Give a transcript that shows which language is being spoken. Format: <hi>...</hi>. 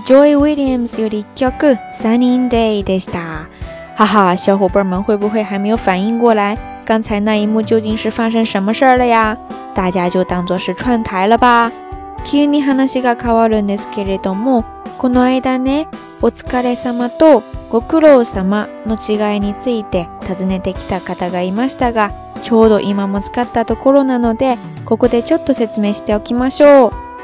<ja>ジョイ・ウィリアムズより曲 Sunny Day でした。</ja> <zh>哈哈，小伙伴们会不会还没有反应过来，刚才那一幕究竟是发生什么事儿了呀？大家就当作是串台了吧。</zh> <ja>急に話が変わるんですけれども、この間ね、お疲れ様とご苦労様の違いについて尋ねてきた方がいましたが、ちょうど今も使ったところなので、ここでちょっと説明しておきましょう。</ja>